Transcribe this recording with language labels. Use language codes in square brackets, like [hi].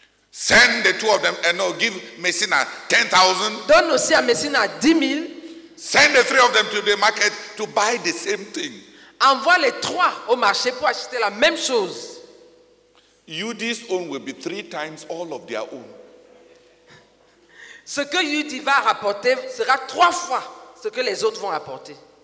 [en] Send the two of them. No, give Messina 10,000. [fr] Donne aussi à Messina 10,000. [en] Send the three of them to the market to buy the same thing. [fr] Envoie les trois au marché pour acheter la même chose. [en] Yudi's own will be three times all of their own. [fr] Ce que Yudi va rapporter sera trois fois ce que les autres vont apporter.